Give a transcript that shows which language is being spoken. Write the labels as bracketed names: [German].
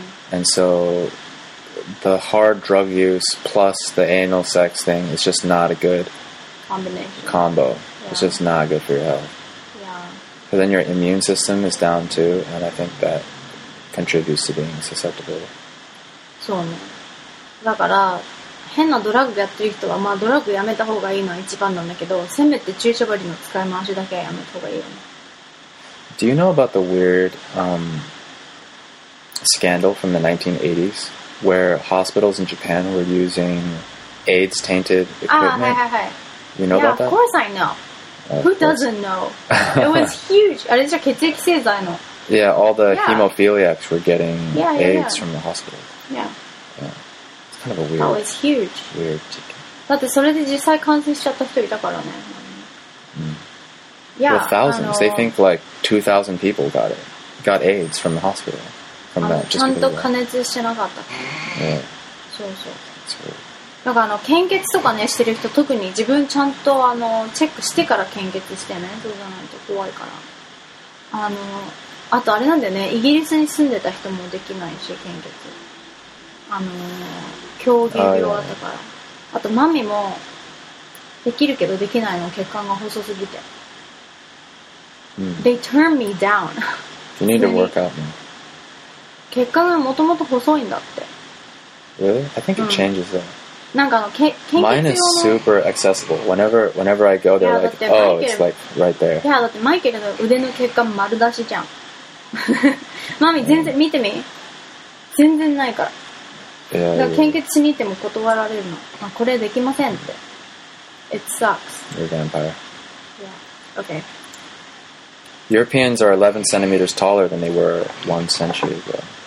[English] And so the hard drug use plus the anal sex thing is just not a good combination. Combo. Yeah. It's just not good for your health. Yeah. But then your immune system is down too, and I think that contributes to being susceptible. [Japanese] そうね。だから変なドラッグやってる人は、まあドラッグやめた方がいいのは一番なんだけど、せめて注射針の使い回しだけはやめた方がいいよね。 [English] Do you know about the weird, scandal from the 1980s where hospitals in Japan were using AIDS tainted equipment? [Japanese] はいはいはい。 [English] You know yeah, about that? Yeah, of course I know. Who doesn't know? It was huge. [Japanese] あれじゃ血液製剤の。 [English] Yeah, all the hemophiliacs were getting AIDS from the hospital. Kind of a weird, that was huge. Weird chicken. [Japanese] だってそれで実際感染しちゃった人いたからね。 [English] Well, thousands. They think like 2,000 people got AIDS from the hospital. From that, [Japanese] ちゃんと加熱してなかったから。 [English] Yeah. [Japanese] そうそう。 [English] That's weird. [Japanese] だからあの献血とかねしてる人特に自分ちゃんとあのチェックしてから献血してね、そうじゃないと怖いから。あのあとあれなんだよね、イギリスに住んでた人もできないし献血、狂牛病あったから。あとマミもできるけどできないの、血管が細すぎて、 [English] They turn me down. You need to work out. [Japanese] 血管がもともと細いんだって。 [English] Really? I think it changes though. [Japanese] なんかあの献血用の、 [English] Mine is super accessible. Whenever I go there, like, oh, it's like right there. [Japanese] いやだってマイケルの腕の血管丸出しじゃん。マミ全然、見てみ、全然ないから。 [English] Yeah, yeah. [Japanese] 献血しに行っても断られるの、まあ、これできませんって。 [English] It sucks. You're a vampire. Yeah. Okay Europeans are 11 centimeters taller than they were one century ago.